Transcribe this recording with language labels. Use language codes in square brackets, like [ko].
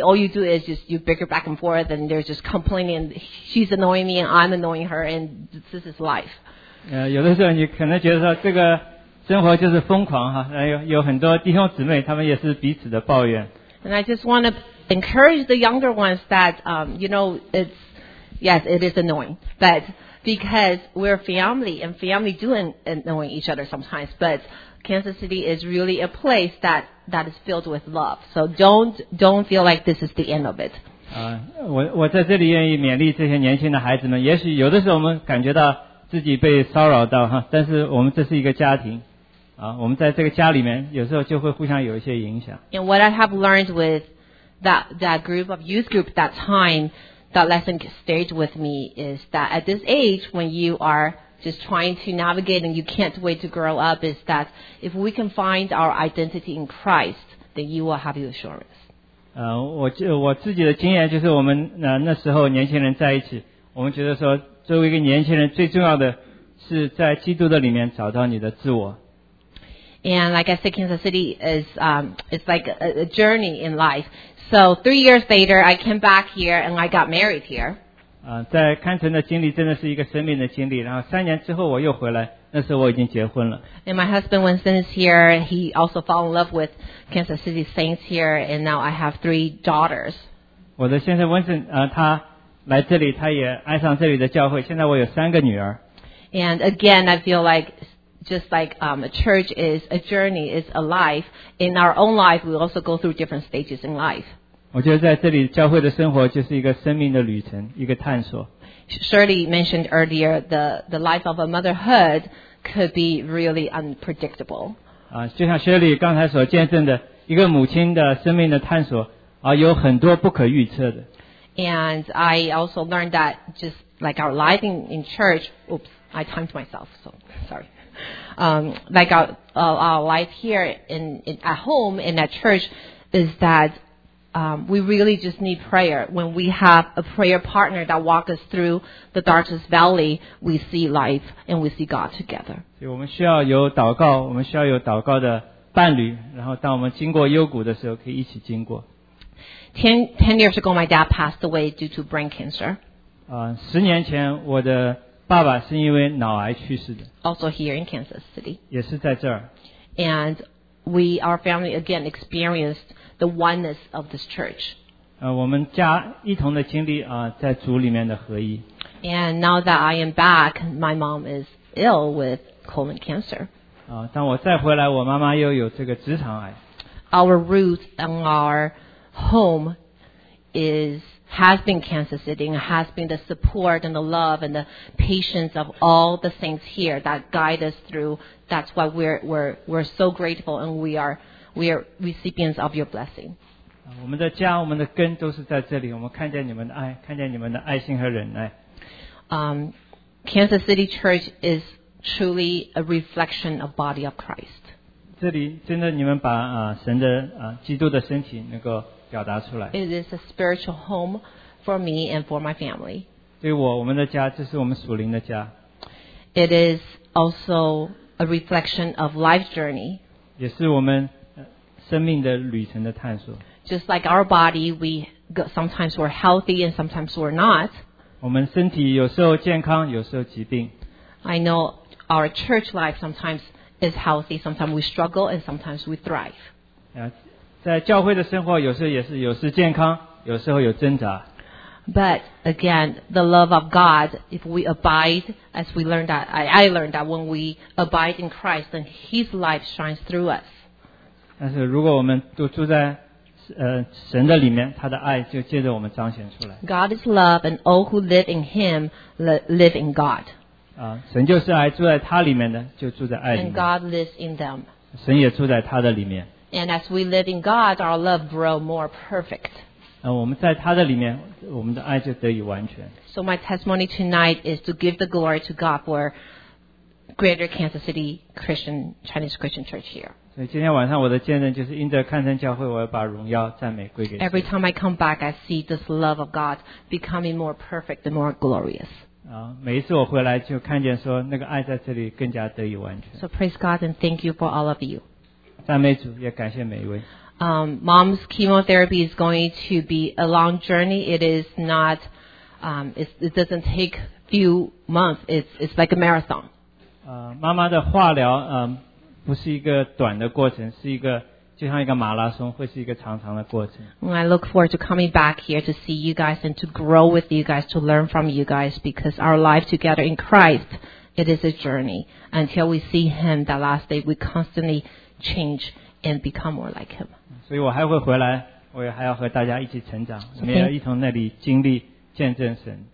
[en] All you do is just you bicker back and forth and they're just complaining. She's annoying me and I'm annoying her and this is life. [zh] 有的时候你可能觉得说这个生活就是疯狂哈，然后有很多弟兄姊妹他们也是彼此的抱怨。 [en] And I just want to encourage the younger ones that, you know, it's, yes, it is annoying, but because we're family and family do annoy each other sometimes, but Kansas City is really a place that is filled with love. So don't feel like this is the end of it. [zh] 我在这里愿意勉励这些年轻的孩子们，也许有的时候我们感觉到自己被骚扰到哈，但是我们这是一个家庭。我们在这个家里面有时候就会互相有一些影响。 [en] And what I have learned with that group of youth group that time, that lesson stayed with me is that at this age when you are just trying to navigate and you can't wait to grow up is that if we can find our identity in Christ, then you will have your assurance. [zh] 我自己的经验就是我们那时候年轻人在一起，我们觉得说作为一个年轻人最重要的是在基督的里面找到你的自我。 [en] And like I said, Kansas City is, it's like a journey in life. So 3 years later, I came back here and I got married here. [zh] 在堪城的经历真的是一个生命的经历。然后三年之后我又回来，那时候我已经结婚了。 [en] And my husband, Winston, is here. He also fell in love with Kansas City Saints here. And now I have three daughters. [zh] 我的先生 Winston, 他来这里，他也爱上这里的教会。现在我有三个女儿。 [en] And again, I feel like just like a church is a journey, is a life. In our own life, we also go through different stages in life. [zh] 我觉得在这里教会的生活就是一个生命的旅程，一个探索。 [en] Shirley mentioned earlier the life of a motherhood could be really unpredictable. [zh] 就像 Shirley 刚才所见证的，一个母亲的生命的探索有很多不可预测的。 [en] And I also learned that just like our life in church, oops, I timed myself, so sorry. Like our life here in at home and at church is that we really just need prayer. When we have a prayer partner that walks us through the darkest valley, we see life and we see God together. [zh] 所以我们需要有祷告，我们需要有祷告的伴侣，然后当我们经过幽谷的时候，可以一起经过。 [en] 10 years ago, my dad passed away due to brain cancer. [zh] 十年前我的爸爸是因为脑癌去世的。 [en] Also here in Kansas City. [zh] 也是在这儿。 [en] And we, our family, again experienced the oneness of this church. [zh] 我们家一同的经历在主里面的合一。 [en] And now that I am back, my mom is ill with colon cancer. [zh] 当我再回来，我妈妈又有这个直肠癌。 [en] Our roots and our home has been Kansas City and has been the support and the love and the patience of all the saints here that guide us through. That's why we're so grateful and we are recipients of your blessing. [zh] 我们的家，我们的根都是在这里。我们看见你们的爱，看见你们的爱心和忍耐。 [en] Kansas City Church is truly a reflection of body of Christ. [zh] 这里真的，你们把神的基督的身体能够表达出来。 [en] It is a spiritual home for me and for my family. [zh] 对我们的家，这是我们属灵的家。 [en] It is also a reflection of life journey. [zh] 也是我们生命的旅程的探索。 [en] Just like our body, sometimes we're healthy and sometimes we're not. [zh] 我们身体有时候健康，有时候疾病。 [en] I know our church life sometimes is healthy, sometimes we struggle and sometimes we thrive. Yeah. [zh] 在教会的生活有时候也是有时健康，有时候有挣扎。 [en] But again, the love of God, if we abide, as we learned that, I learned that when we abide in Christ, then His life shines through us. [zh] 但是如果我们都住在神的里面，他的爱就借着我们彰显出来。 [en] God is love, and all who live in Him live in God. [zh] 神就是爱，住在他里面的就住在爱里面。 [en] And God lives in them. [zh] 神也住在他的里面。 [en] And as we live in God, our love grows more perfect. [zh] 我们在他的里面，我们的爱就得以完全。 [en] So my testimony tonight is to give the glory to God for Greater Kansas City Chinese Christian Church here. [zh] 所以今天晚上我的见证就是，因着堪城教会，我要把荣耀赞美归给。 [en] Every time I come back, I see this love of God becoming more perfect and more glorious. [zh] 每一次我回来就看见说，那个爱在这里更加得以完全。 [en] So praise God and thank you for all of you. [zh] 赞美主，也感谢每一位。 [en] Mom's chemotherapy is going to be a long journey. It is not, it doesn't take few months. It's like a marathon. [zh] 妈妈的化疗不是一个短的过程，是一个就像一个马拉松，会是一个长长的过程。 [en] I look forward to coming back here to see you guys and to grow with you guys, to learn from you guys, because our life together in Christ, it is a journey. Until we see Him the last day, we constantly change and become more like Him. [zh] 所以我还会回来，我也还要和大家一起成长，我们也要一同那里经历见证神。